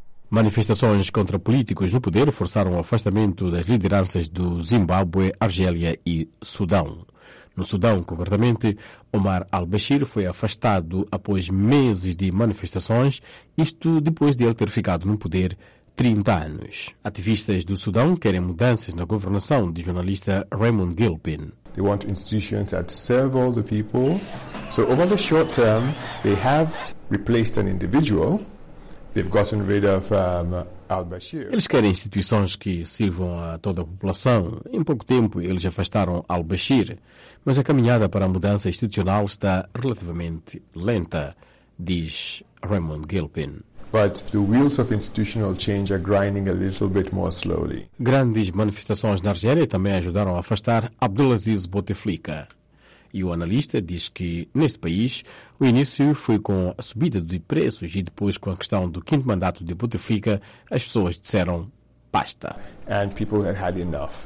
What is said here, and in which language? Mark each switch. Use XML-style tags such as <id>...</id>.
<pt>Manifestações contra políticos no poder forçaram o afastamento das lideranças do Zimbábue, Argélia e Sudão. No Sudão, concretamente, Omar al-Bashir foi afastado após meses de manifestações, isto depois de ele ter ficado no poder 30 anos. Ativistas do Sudão querem mudanças na governação, de jornalista Raymond Gilpin.</pt> <en>They want institutions that serve all the people. So over the short term, they have replaced an individual. They've gotten rid of al-Bashir.</en> <pt>Eles querem instituições que sirvam a toda a população. Em pouco tempo, eles afastaram al-Bashir. Mas a caminhada para a mudança institucional está relativamente lenta, diz Raymond Gilpin.</pt> <en>But the wheels of institutional change are grinding a little bit more slowly.</en> <pt>Grandes manifestações na Argélia também ajudaram a afastar Abdelaziz Bouteflika. E o analista diz que, neste país, o início foi com a subida de preços e depois com a questão do quinto mandato de Bouteflika, as pessoas disseram basta.</pt> <en>And people had enough.</en>